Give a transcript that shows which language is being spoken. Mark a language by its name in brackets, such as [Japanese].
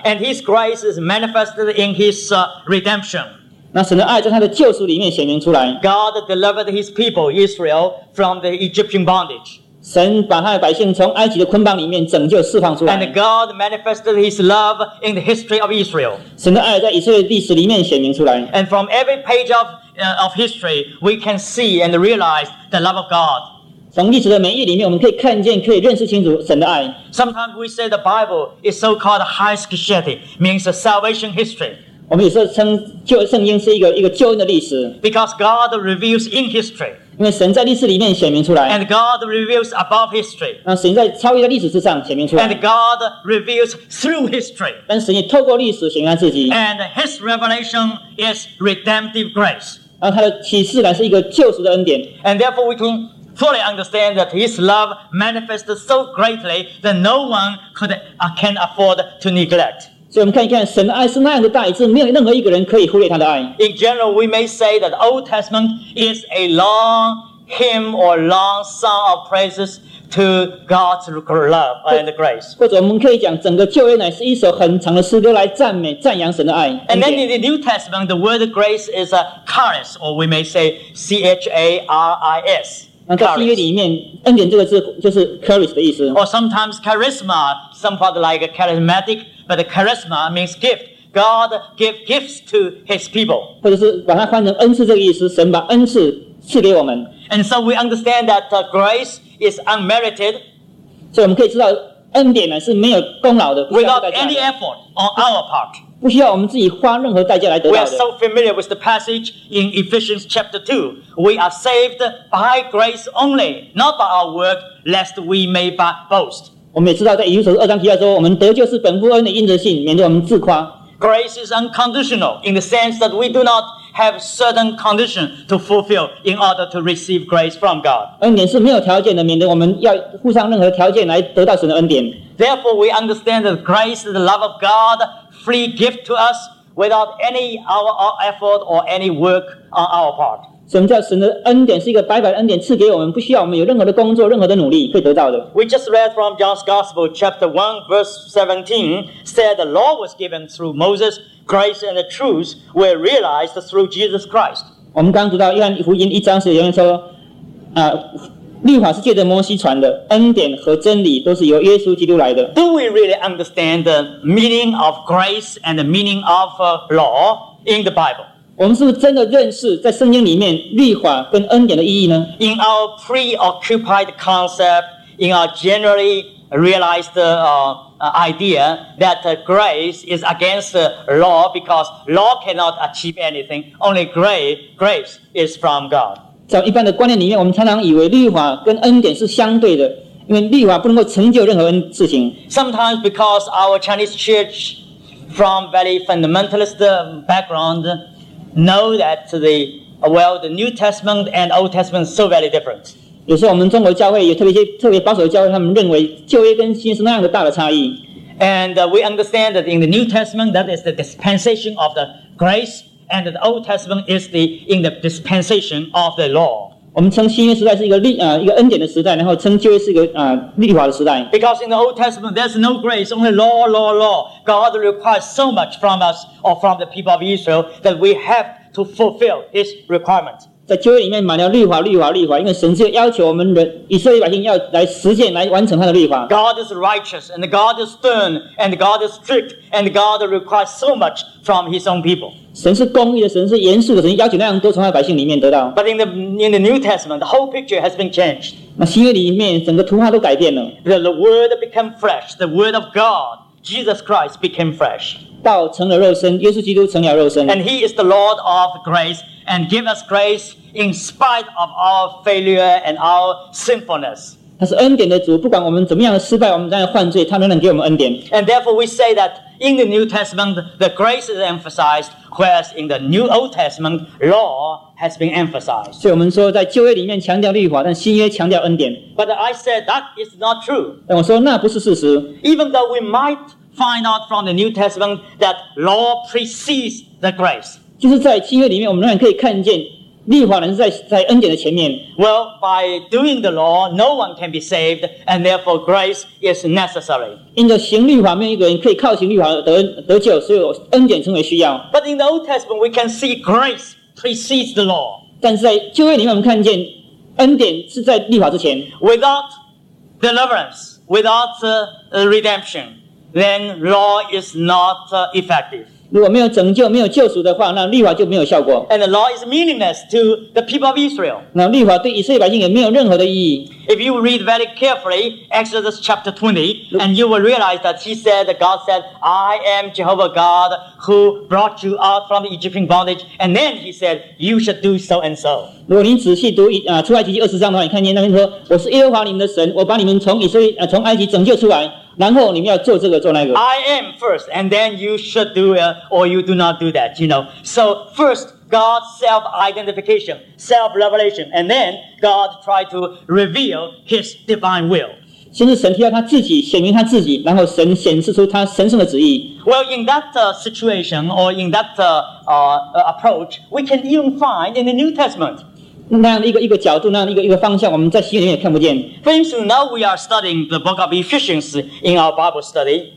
[English] And His grace is manifested in His redemption. [Chinese] 那神的爱在他的救赎里面显明出来。 [English] God delivered His people Israel from the Egyptian bondage. [Chinese] 神把他的百姓从埃及的捆绑里面拯救释放出来。 [English] And God manifested His love in the history of Israel. [Chinese] 神的爱在以色列历史里面显明出来。 [English] And from every page of history, we can see and realize the love of God. [Chinese] 从历史的每一页里面，我们可以看见，可以认识清楚神的爱。 [English] Sometimes we say the Bible is so-called Heilsgeschichte, means a salvation history. [Chinese] 我们也是称旧圣经是一个救恩的历史。 [English] Because God reveals in history. [Chinese] 因为神在历史里面显明出来。 [English] And God reveals above history. [Chinese] 那神在超越的历史之上显明出来。 [English] And God reveals through history. [Chinese] 但神也透过历史显明自己。 [English] And His revelation is redemptive grace. [Chinese] 那他的启示乃是一个救赎的恩典。 [English] And therefore we can fully understand that His love manifests so greatly that no one can afford to neglect. [Chinese] 所以我们看一看，神的爱是那样的大，以致没有任何一个人可以忽略他的爱。 [English] In general, we may say that Old Testament is a long hymn or long song of praises to God's love and grace. [Chinese] 或者我们可以讲，整个旧约乃是一首很长的诗歌，来赞美、赞扬神的爱。 [English] And then in the New Testament, the word grace is a charis, or we may say C H A R I S. [Chinese] 那在新约里面，恩典这个字就是 charis 的意思。 [English] Or sometimes charisma, somewhat like charismatic, but charisma means gift. God give gifts to His people. [Chinese] 或者是把它换成恩赐这个意思，神把恩赐赐给我们。 [English] And so we understand that grace is unmerited. [Chinese] 所以我们可以知道，恩典呢是没有功劳的。 [English] Without any effort on our part. [Chinese] 不需要我们自己花任何代价来得到的。 [English] We are so familiar with the passage in Ephesians chapter 2. We are saved by grace only, not by our work, lest we may boast. [Chinese] 我们也知道在以弗所书二章提到说，我们得救是本乎恩的因着信，免得我们自夸。 [English] Grace is unconditional in the sense that we do not have certain condition to fulfill in order to receive grace from God. [Chinese] 恩典是没有条件的，免得我们要附上任何条件来得到神的恩典。 [English] Therefore, we understand that grace is the love of God. Free gift to us without any our effort or any work on our part. [Chinese] 什么叫神的恩典？是一个白白的恩典赐给我们，不需要我们有任何的工作、任何的努力可以得到的。 [English] We just read from John's Gospel, chapter 1, verse 17, said the law was given through Moses, grace and the truth were realized through Jesus Christ. [Chinese] 我们刚读到约翰福音一章十九节说，律法是借着摩西传的，恩典和真理都是由耶稣基督来的。 [English] Do we really understand the meaning of grace and the meaning of law in the Bible? [Chinese] 我们是不是真的认识在圣经里面律法跟恩典的意义呢？ [English] In our preoccupied concept, in our generally realized idea that grace is against law because law cannot achieve anything, only grace is from God. [Chinese] 在一般的观念里面，我们常常以为律法跟恩典是相对的，因为律法不能够成就任何事情。 [English] Sometimes because our Chinese church from very fundamentalist background know that the New Testament and Old Testament so very different. [Chinese] 有时候我们中国教会有特别保守的教会，他们认为旧约跟新约是那样的大的差异。 [English] And we understand that in the New Testament that is the dispensation of the grace. And the Old Testament is in the dispensation of the law. [Chinese] 我们称新约时代是一个恩典的时代，然后称旧约是一个律法的时代。 [English] Because in the Old Testament, there's no grace, only law, law, law. God requires so much from us or from the people of Israel that we have to fulfill His requirement. [Chinese] 在旧约里面满了律法，律法，律法，因为神是要求我们人以色列百姓要来实践，来完成他的律法。 [English] God is righteous, and God is stern, and God is strict, and God requires so much from His own people. [Chinese] 神是公义的，神是严肃的，神要求那样多从他的百姓里面得到。 [English] But in the New Testament, the whole picture has been changed. [Chinese] 那新约里面整个图画都改变了。 [English] The Word became flesh, the Word of God, Jesus Christ became flesh. [Chinese] 道成了肉身，耶稣基督成了肉身。 [English] And He is the Lord of grace and give us grace in spite of our failure and our sinfulness. [Chinese] 他是恩典的主，不管我们怎么样的失败，我们怎样犯罪，他仍然给我们恩典。 [English] And therefore we say that in the New Testament the grace is emphasized, whereas in the New Old Testament law has been emphasized. [Chinese] 所以我们说在旧约里面强调律法，但新约强调恩典。 [English] But I said that is not true. [Chinese] 但我说那不是事实。 [English] Even though we might find out from the New Testament that law precedes the grace. [Chinese] 就是在新约里面，我们仍然可以看见。律法人在恩典的前面。 [English] Well, by doing the law, no one can be saved, and therefore grace is necessary. [Chinese] 因着行律法，没有一个人可以靠行律法得救，所以恩典成为需要。 [English] But in the Old Testament, we can see grace precedes the law. [Chinese] 但是在旧约里面，我们看见恩典是在律法之前。 [English] Without deliverance, without redemption, then law is not effective. [Chinese] 如果没有拯救、没有救赎的话，那律法就没有效果。 [English] And the law is meaningless to the people of Israel. [Chinese] 那律法对以色列百姓也没有任何的意义。 [English] If you read very carefully Exodus chapter 20, and you will realize that he said, God said, I am Jehovah God who brought you out from the Egyptian bondage. And then he said, you should do so and so. [Chinese] 如果您仔细读出埃及记二十章的话，你看见那边说，我是耶和华你们的神，我把你们从以色列从埃及拯救出来，然后你们要做这个做那个。 [English] I am first, and then you should do it, or you do not do that. You know, so first. God's self-identification, self-revelation, and then God tried to reveal His divine will. [Chinese] 先是神提到他自己，显明他自己，然后神显示出他神圣的旨意。 [English] Well, in that situation or in that approach, we can even find in the New Testament. [Chinese] 那样的一个角度，那样的一个方向，我们在新约里面也看不见。 [English] For instance, now we are studying the book of Ephesians in our Bible study.